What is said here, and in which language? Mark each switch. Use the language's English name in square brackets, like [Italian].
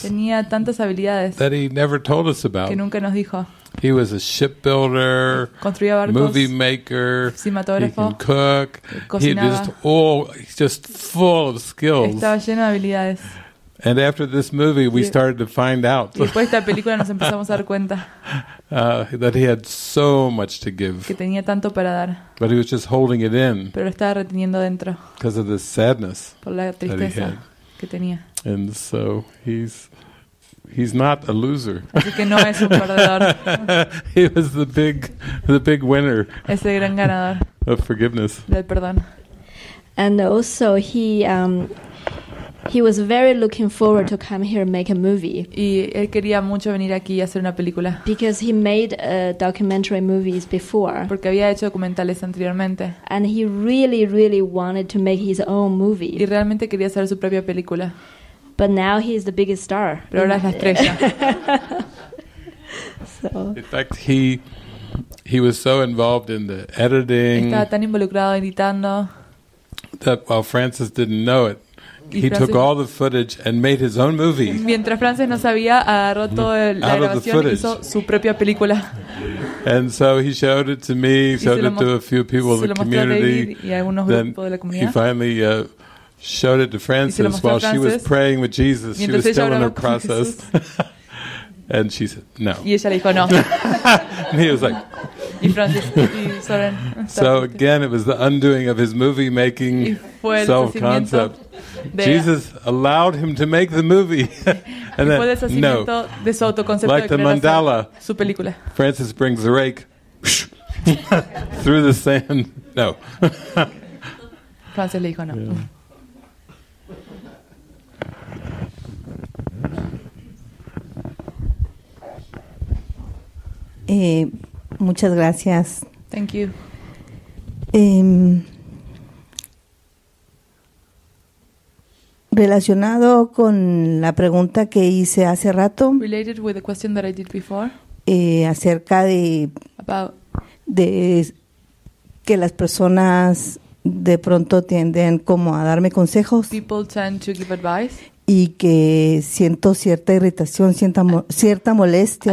[Spanish] tenía tantas habilidades, [English] that he never told us about. [Spanish] Que nunca nos dijo. [English] He was a shipbuilder, [Spanish] construía barcos, [English] movie maker, [Spanish] cinematógrafo, [English] he can cook, [Spanish] cocinaba. [English] He just he's just full of skills. [Spanish] Estaba lleno de habilidades. [English] And after this movie, we started to find out. [Spanish] Y después de esta película nos empezamos a dar cuenta. [English] That he had so much to give. [Spanish] Que tenía tanto para dar. [English] But he was just holding it in. [Spanish] Pero lo estaba reteniendo dentro. [English] Because of the sadness. [Spanish] Por la tristeza [English] that he had. [Spanish] Que tenía. [English] And so he's not a loser. [Spanish] Así que no es un perdedor. [English] He was the big winner. [Spanish] Ese gran ganador. [English] Of forgiveness. [Spanish] Del perdón. [English] And also he was very looking forward to come here and make a movie. [Spanish] Y él quería mucho venir aquí y hacer una película. [English] Because he made documentary movies before. [Spanish] Porque había hecho documentales anteriormente. [English] And he really, really wanted to make his own movie. [Spanish] Y realmente quería hacer su propia película. [English] But now he is the biggest star. [Spanish] Pero ahora es la estrella. [English] So. In fact, he was so involved in the editing. [Spanish] Estaba tan involucrado editando. [English] That while Frances didn't know it. He took all the footage and made his own movie. [Spanish] Mientras Frances no sabía, agarró toda la grabación y hizo su propia película. [English] And so he showed it to me, showed it to a few people in the community. [Spanish] Y a algunos grupos de la comunidad. [English] He finally showed it to Frances while she was praying with Jesus. She was still in her process. And she said, no. [Spanish] Y ella le dijo, no. [English] And he was like... [Spanish] Y Frances y Soren. [English] So again, it was the undoing of his movie making self-concept. Jesus allowed him to make the movie. And then, no. [Spanish] De su autoconcepto [English] like [Spanish] de [English] the mandala. [Spanish] Su película. [English] Francis brings the rake through the sand. No. [Spanish] Francis le dijo no. Yeah. Muchas gracias. [English] Thank you. [Spanish] Relacionado con la pregunta que hice hace rato. [English] Related with the question that I did before. [Spanish] Acerca de [English] about [Spanish] de que las personas de pronto tienden como a darme consejos. [English] People tend to give advice. [Spanish] Y que siento cierta irritación, cierta cierta molestia